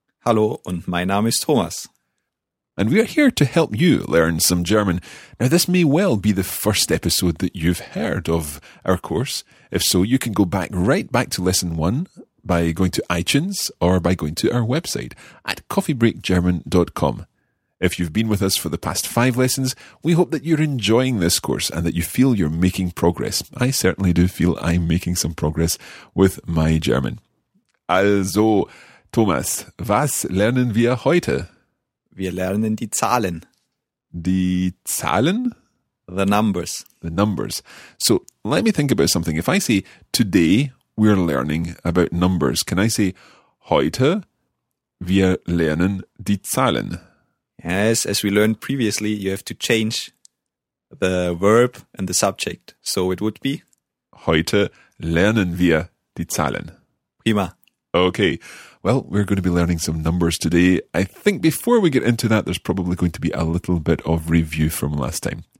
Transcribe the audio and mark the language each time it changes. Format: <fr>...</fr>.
<de>Hallo und mein Name ist Thomas.</de> <en>And we are here to help you learn some German. Now, this may well be the first episode that you've heard of our course. If so, you can go back right back to Lesson 1 by going to iTunes or by going to our website at coffeebreakgerman.com. If you've been with us for the past 5 lessons, we hope that you're enjoying this course and that you feel you're making progress. I certainly do feel I'm making some progress with my German.</en> <de>Also, Thomas, was lernen wir heute? Wir lernen die Zahlen. Die Zahlen?</de> <en>The numbers. The numbers. So, let me think about something. If I say, today we're learning about numbers, can I say,</en> <de>heute wir lernen die Zahlen?</de> <en>Yes, as we learned previously, you have to change the verb and the subject. So it would be?</en> <de>Heute lernen wir die Zahlen. Prima.</de> <en>Okay, well, we're going to be learning some numbers today. I think before we get into that, there's probably going to be a little bit of review from last time.</en>